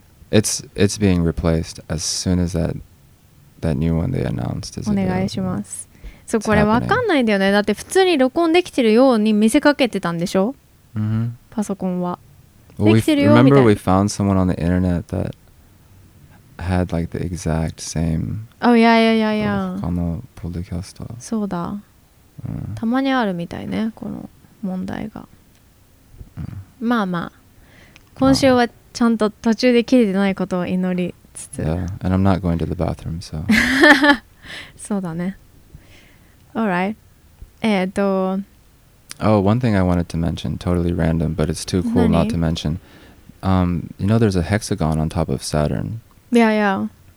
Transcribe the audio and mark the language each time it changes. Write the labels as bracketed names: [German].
[English] It's being replaced as soon as that new one they announced is available. [Japanese] お願いします。そう、これわかんないんだよね。だって普通に録音できてるように見せかけてたんでしょ。 Mm-hmm. パソコンは。 [English] Remember we found someone on the internet that had like the exact same. Oh yeah, yeah, yeah, yeah. [Japanese] 他のポッドキャスター。そうだ。たまにあるみたいね、この問題が。まあまあ、今週はちゃんと途中で切れてないことを祈りつつ。 [English] Yeah, and I'm not going to the bathroom, so. [Japanese] そうだね。 [English] All right. Oh, one thing I wanted to mention, totally random, but it's too cool not to mention. You know there's a hexagon on top of Saturn? Yeah, yeah.